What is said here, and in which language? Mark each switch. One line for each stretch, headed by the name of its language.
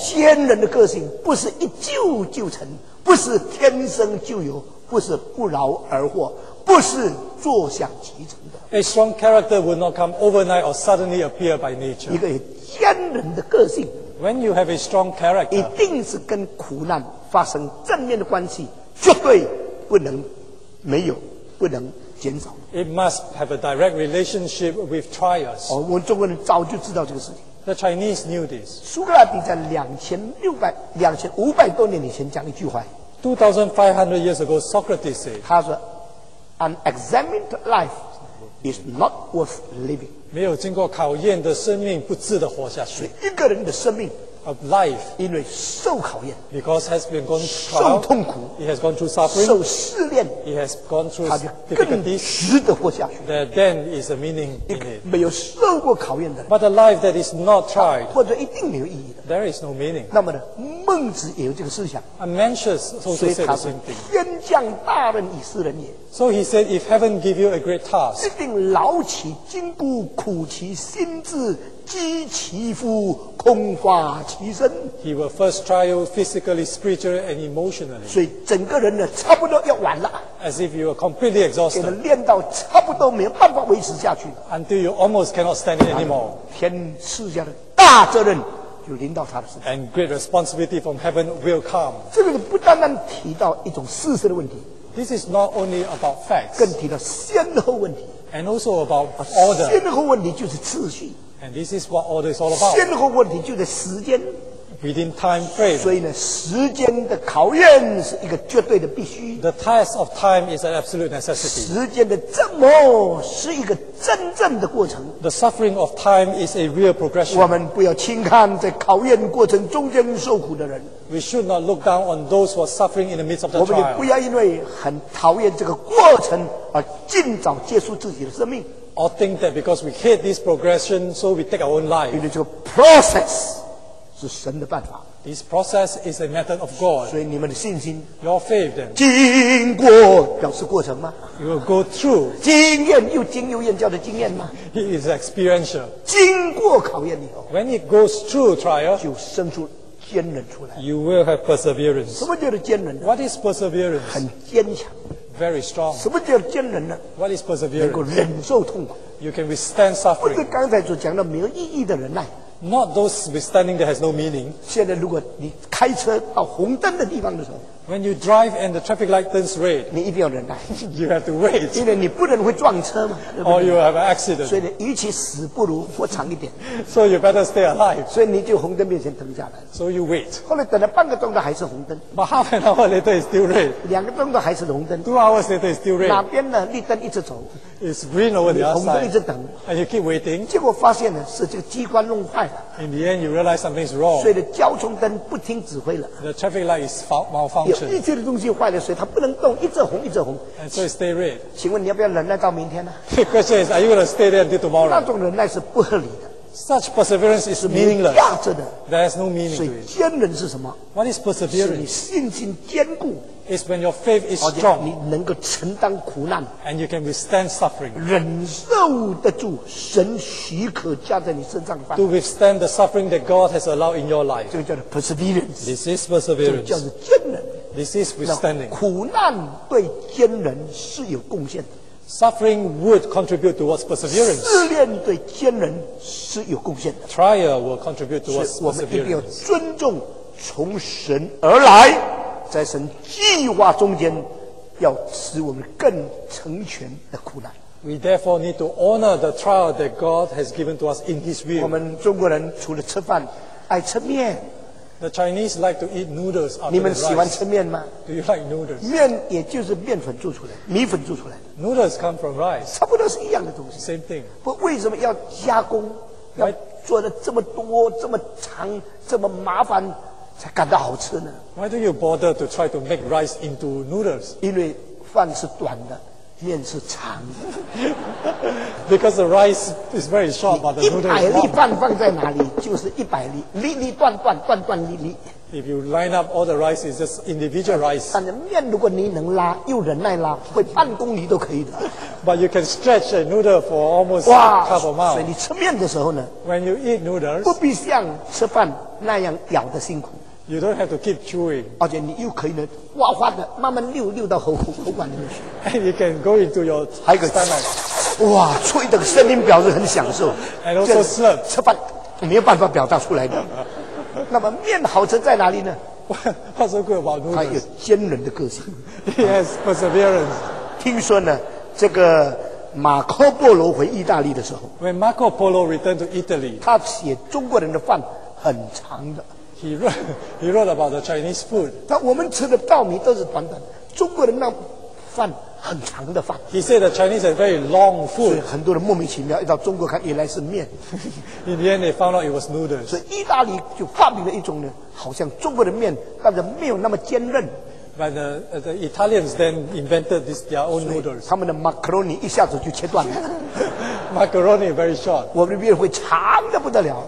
Chinese: 坚韧的个性不是一就就成，不是天生就有，不是不劳而获，不是坐享其成的。
English: A strong character will not come overnight or suddenly appear by nature.
Chinese: 一个坚韧的个性。
English: When you have a strong character,
Chinese: 一定是跟苦难发生正面的关系，绝对不能没有，不能。
English: It must have a direct relationship with trials.
Chinese: 我们中国人早就知道这个事情。
English: The Chinese knew this.
Chinese: 苏格拉底在2500多年以前讲一句话。
English: 2500 years ago, Socrates said.
Chinese: 他说
English: ，An examined life is not worth living.
Chinese: 没有经过考验的生命不值得活下去。所以一个人的生命
English: of life
Chinese: 因为受考验
English: because has been gone through trial,
Chinese: 受痛苦
English: he has gone through suffering,
Chinese: 受试炼
English: He has gone through
Chinese: 他就更值得活下去
English: There then is a meaning in it
Chinese: 没有受过考验的
English: But a life that is not tried
Chinese: 或者一定没有意义的
English: There is no meaning
Chinese: 那么呢孟子也有这个思想
English: And Mencius also said the same thing
Chinese: 天降大任以事人也
English: So he said if heaven give you a great task
Chinese: 一定劳其筋骨苦其心志饥其腹空乏其身
English: He will first try you physically, spiritually and emotionally
Chinese: 所以整个人呢差不多要完了
English: As if you are completely exhausted.
Chinese: 给他练到差不多没有办法维持下去。
English: Until you almost cannot stand it anymore.
Chinese: 天赐下的大责任就临到他的身上。
English: And great responsibility from heaven will come.
Chinese: 这个不单单提到一种事实的问题。
English: This is not only about facts.
Chinese: 更提到先后问题。
English: And also about order.
Chinese: 先后问题就是次序。
English: And this is what order is all about.
Chinese: 先后问题就是时间。
English: Within time frame.
Chinese: 所以呢，时间的考验是一个绝对的必须。
English: The test of time is an absolute necessity.
Chinese: 时间的折磨是一个真正的过程。
English: The suffering of time is a real progression.
Chinese: 我们不要轻看在考验过程中间受苦的人。
English: We should not look down on those who are suffering in the midst of the trial.
Chinese: 我们也不要因为很讨厌这个过程而尽早结束自己的生命。
English: Or think that because we hate this progression, so we take our own life.
Chinese: 因为这个
English: process.
Chinese: 是神的办法。
English: This process is a method of God.
Chinese: 所以你们的信心
English: ，your faith, then,
Chinese: 经过表示过程吗
English: ？You will go through.
Chinese: 经验又经又验叫做经验吗
English: ？It is experiential.
Chinese: 经过考验以后
English: ，when it goes through trial,
Chinese: 就生出坚韧出来。
English: You will have perseverance.
Chinese: 什么叫做坚韧
English: ？What is perseverance?
Chinese: 很坚强。
English: Very strong.
Chinese: 什么叫坚韧呢
English: ？What is perseverance?
Chinese: 能够忍受痛苦。
English: You can withstand suffering.
Chinese: 不是刚才所讲的没有意义的忍耐。
English: Not those withstanding that has no meaning.
Chinese: 现在如果你开车到红灯的地方的时候
English: ，When you drive and the traffic light turns red,
Chinese: 你一定要忍耐。
English: You have to wait.
Chinese: 因为你不忍会撞车嘛。对不对
English: Or you have an accident.
Chinese: 所以与其死不如活长一点。
English: So you better stay alive.
Chinese: 所以你就红灯面前等下来。
English: So you wait.
Chinese: 后来等了半个钟头还是红灯。
English: But half an hour later it's still red.
Chinese: 两个钟头还是红灯。
English: Two hours later it's still red.
Chinese: 哪边呢？绿灯一直走。
English: It's green over the other side.
Chinese: 红灯一直等。
English: And you keep waiting.
Chinese: 结果发现呢，是这个机关弄坏了。
English: In the end, you realize something is wrong.
Chinese: 所以呢，交通灯不听指挥了。
English: The traffic light is malfunctioned.
Chinese: 一切的东西坏了，所以它不能动，一直红，一直红。
English: And so it stays red.
Chinese: 请问你要不要忍耐到明天呢
English: ？The question is, are you going to stay there until tomorrow?
Chinese: 那种忍耐是不合理的。
English: Such perseverance is meaningless.
Chinese: 压着的。
English: There is no meaning to it.
Chinese: 所以坚韧是什么
English: ？What is perseverance?
Chinese: 是你信心坚固。
English: It's when your faith is strong.
Chinese: 你能够承担苦难。
English: And you can withstand suffering.
Chinese: 忍受得住神许可加在你身上的。
English: To withstand the suffering that God has allowed in your life.
Chinese: 这个叫做
English: perseverance. This is perseverance.
Chinese: 这个叫做坚韧。
English: This is withstanding.
Chinese: 苦难对坚韧是有贡献的。
English: Suffering would contribute towards perseverance.
Chinese: 试炼对坚韧是有贡献的。
English: Trial will contribute towards perseverance.
Chinese: 所以我们一定要尊重从神而来。在神计划中间，要使我们更成全的苦难。
English: We therefore need to honor the trial that God has given to us in His will.
Chinese: 我们中国人除了吃饭，爱吃面。
English: The Chinese like to eat noodles.
Chinese: 你们喜欢吃面吗
English: ？Do you like noodles?
Chinese: 面也就是面粉做出来，米粉做出来的。
English: Noodles come from rice.
Chinese: 差不多是一样的东西。
English: Same thing.
Chinese: 不，为什么要加工？要做的这么多、这么长、这么麻烦，才感到好吃呢
English: ？Why do you bother to try to make rice into noodles?
Chinese: 因为饭是短的，面是长的。
English: Because the rice is very short, but the noodle is long.
Chinese: 一百粒饭放在哪里，就是一百粒，粒粒断断，断断粒粒。
English: If you line up all the rice, it's just individual rice.
Chinese: 但是面如果你能拉，又忍耐拉，会半公里都可以的。
English: But you can stretch a noodle for almost half a mile.
Chinese: 所以你吃面的时候呢
English: ？When you eat noodles,
Chinese: 不必像吃饭那样咬得辛苦。
English: You don't have to keep chewing.
Chinese: 而且你又可以呢，哗哗的慢慢溜溜到喉口口管里面去。
English: And you can go into your stomach.
Chinese: 还可以，哇，吹的声音表示很享受。
English: And also slurp.
Chinese: 吃饭没有办法表达出来的。那么面好吃在哪里呢
English: ？What's so good about noodles?
Chinese: 它有坚韧的个性。
English: Yes, perseverance.
Chinese: 听说呢，这个马可波罗回意大利的时候
English: ，When Marco Polo returned to Italy,
Chinese: 他写中国人的饭很长的。
English: He wrote about the Chinese food.
Chinese: 但我们吃的稻米都是短短的，中国人那饭很长的饭。
English: He said the Chinese are very long food.
Chinese: 所以很多人莫名其妙一到中国看，原来是面。
English: In the end, they found out it was noodles.
Chinese: 所以意大利就发明了一种呢，好像中国的面，但是没有那么坚韧。
English: But the Italians then invented this their own noodles.
Chinese: 他们的 macaroni 一下子就切断了。
English: Macaroni very short.
Chinese: 我们的面会长得不得了。